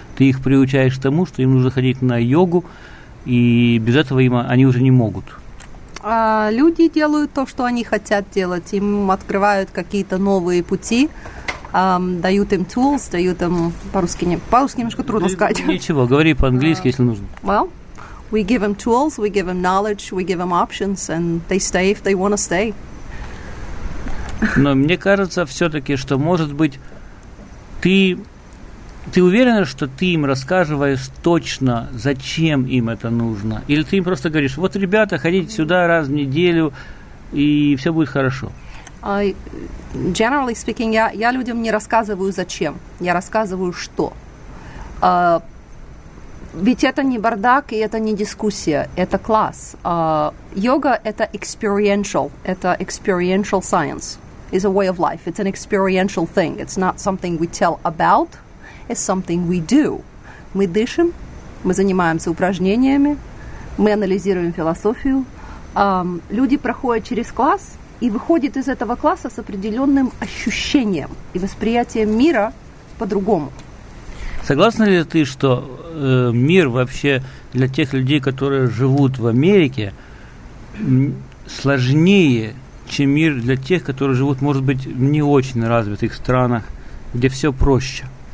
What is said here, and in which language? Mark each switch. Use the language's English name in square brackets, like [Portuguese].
[Russian] Ты их приучаешь к тому, что им нужно ходить на йогу, и без этого им они уже не могут. Люди делают то, что они хотят делать. Им открывают какие-то новые пути, дают им tools, дают им по-русски, немножко трудно сказать. Ничего, говори по-английски, если нужно. [English] Well, we give them tools, we give them knowledge, we give them options, and they stay if they want to stay. [Russian] Но мне кажется все-таки, что, может быть, ты уверена, что ты им рассказываешь точно, зачем им это нужно? Или ты им просто говоришь, вот, ребята, ходите сюда раз в неделю, и все будет хорошо? Generally speaking, я людям не рассказываю зачем, я рассказываю что. Ведь это не бардак и это не дискуссия, это класс. Йога – это [English] experiential science, it's a way of life, it's an experiential thing, it's not something we tell about, it's something we do. [Russian] Мы дышим, мы занимаемся упражнениями, мы анализируем философию. Люди проходят через класс и выходит из этого класса с определенным ощущением и восприятием мира по-другому. Согласна ли ты, что мир вообще для тех людей, которые живут в Америке, сложнее, чем мир для тех, которые живут, может быть, в не очень развитых странах, где все проще?